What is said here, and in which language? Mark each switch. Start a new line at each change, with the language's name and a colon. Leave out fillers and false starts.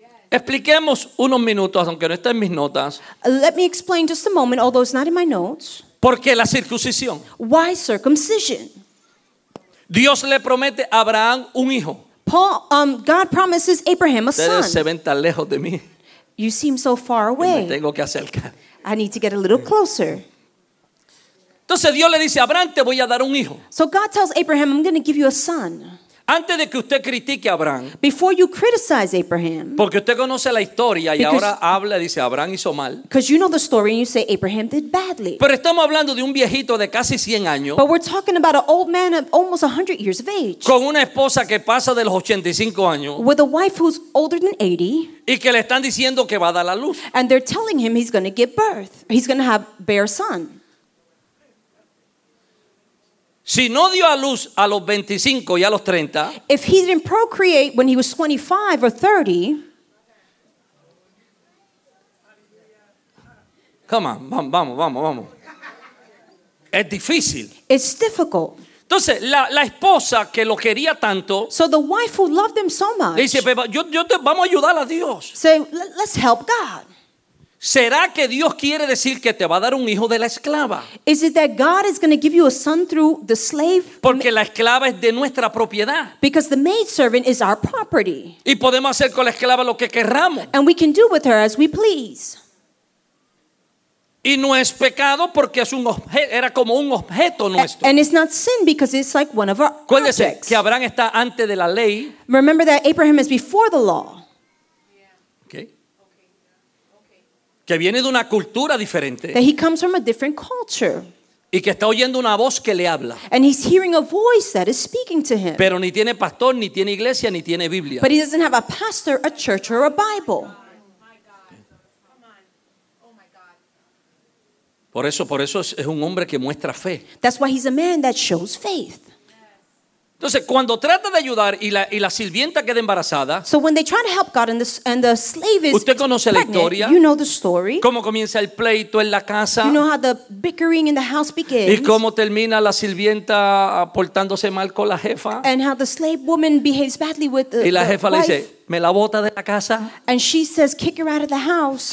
Spanish: Expliquemos unos minutos, aunque no esté en mis notas.
English: Let me explain just a moment, although it's not in my notes.
Spanish: ¿Por qué la circuncisión?
English: Why circumcision?
Spanish: Dios le promete a Abraham un hijo.
English: God promises Abraham a son.
Spanish: Se ven tan lejos de mí.
English: You seem so far away.
Spanish: Me tengo que acercar.
English: I need to get a little closer.
Spanish: Entonces Dios le dice, Abraham, te voy a dar un hijo.
English: So God tells Abraham, I'm going to give you a son.
Spanish: Antes de que usted critique a Abraham.
English: Before you criticize Abraham.
Spanish: Porque usted conoce la historia y ahora habla y dice, Abraham hizo mal.
English: Because you know the story and you say Abraham did badly.
Spanish: Pero estamos hablando de un viejito de casi 100 años.
English: But we're talking about an old man of almost 100 years of age.
Spanish: Con una esposa que pasa de los 85 años.
English: With a wife who's older than 80.
Spanish: Y que le están diciendo que va a dar a luz.
English: And they're telling him he's going to give birth. He's going to have bear son.
Spanish: Si no dio a luz a los 25 y a los 30,
English: if he didn't procreate when he was 25 or 30, come on,
Spanish: vamos. Es difícil.
English: It's difficult.
Spanish: Entonces, la esposa que lo quería tanto,
English: so the wife who loved him so much,
Spanish: dice, yo te, vamos a ayudar a Dios.
English: Say, let's help God.
Spanish: ¿Será que Dios quiere decir que te va a dar un hijo de la esclava?
English: Is it that God is going to give you a son through the slave?
Spanish: Porque la esclava es de nuestra propiedad.
English: Because the maidservant is our property.
Spanish: Y podemos hacer con la esclava lo que querramos.
English: And we can do with her as we please.
Spanish: Y no es pecado porque es un objeto, era como un objeto nuestro.
English: And it's not sin because it's like one of our objects.
Spanish: Acuérdese que Abraham está antes de la ley.
English: Remember that Abraham is before the law.
Spanish: Que viene de una cultura diferente.
English: That he comes from a different culture.
Spanish: Y que está oyendo una voz que le habla.
English: And he's hearing a voice that is speaking to him.
Spanish: Pero ni tiene pastor, ni tiene iglesia, ni tiene Biblia.
English: But he doesn't have a pastor, a church, or a Bible.
Spanish: Por eso es un hombre que muestra fe.
English: That's why he's a man that shows faith.
Spanish: Entonces, cuando trata de ayudar y la sirvienta queda embarazada,
English: so when they try to help God and the slave is
Spanish: usted conoce
English: pregnant,
Spanish: la historia,
English: you know the story,
Spanish: cómo comienza el pleito en la casa,
English: you know how the bickering in the house begins,
Spanish: y cómo termina la sirvienta portándose mal con la jefa,
English: and how the slave woman behaves badly with the
Spanish: y la jefa
English: the
Spanish: le
English: wife,
Spanish: dice, me la bota de la casa,
English: and she says, kick her out of the house.